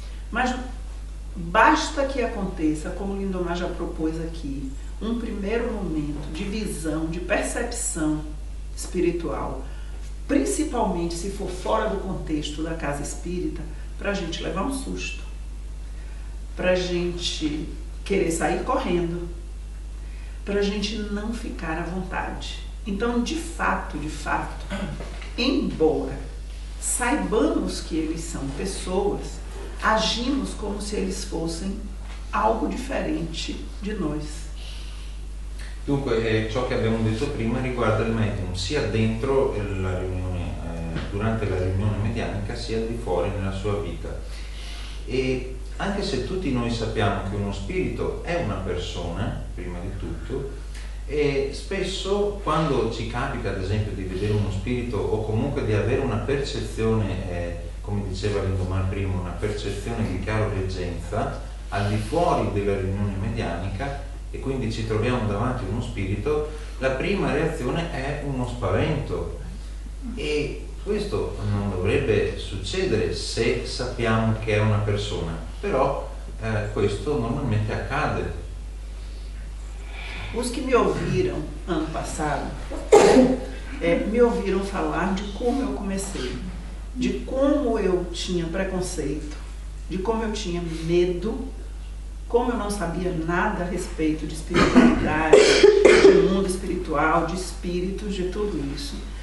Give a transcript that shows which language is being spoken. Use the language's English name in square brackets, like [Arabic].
[Portuguese] Mas basta que aconteça, como Lindomar já propôs aqui, um primeiro momento de visão, de percepção espiritual, principalmente se for fora do contexto da casa espírita, para a gente levar um susto, para a gente querer sair correndo, para a gente não ficar à vontade. Então, de fato, embora saibamos que eles são pessoas, agimos como se eles fossem algo diferente de nós. [Italian] Dunque, ciò che abbiamo detto prima riguarda il medium, sia dentro la riunione, durante la riunione medianica, sia di fuori nella sua vita. E anche se tutti noi sappiamo che uno spirito è una persona, prima di tutto, e spesso quando ci capita, ad esempio, di vedere uno spirito o comunque di avere una percezione, come diceva Lindomar prima, una percezione di chiaroveggenza, al di fuori della riunione medianica, e quindi ci troviamo davanti a uno spirito, la prima reazione è uno spavento. E questo non dovrebbe succedere se sappiamo che è una persona, però questo normalmente accade. [Portuguese] Os que me ouviram ano passado me ouviram falar de como eu comecei, de como eu tinha preconceito, de como eu tinha medo. Como eu não sabia nada a respeito de espiritualidade, de mundo espiritual, de espíritos, de tudo isso.